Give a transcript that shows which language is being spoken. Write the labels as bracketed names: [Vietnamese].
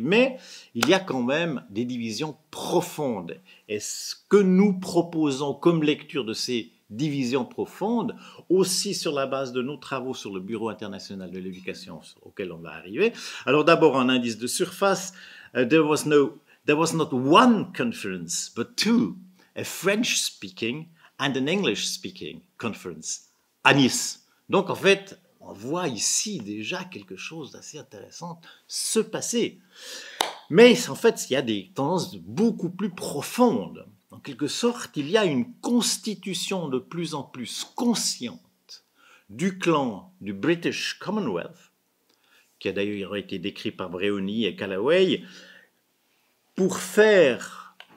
[French] Mais il y a quand même des divisions profondes. Et ce que nous proposons comme lecture de ces division profonde, aussi sur la base de nos travaux sur le Bureau international de l'éducation auquel on va arriver. Alors d'abord, un indice de surface, [English] there was not one conference, but two, a French-speaking and an English-speaking conference [French] à Nice. Donc en fait, on voit ici déjà quelque chose d'assez intéressant se passer. Mais en fait, il y a des tendances beaucoup plus profondes. En quelque sorte, il y a une constitution de plus en plus consciente du clan du British Commonwealth, qui a d'ailleurs été décrit par Breoni et Callaway, pour faire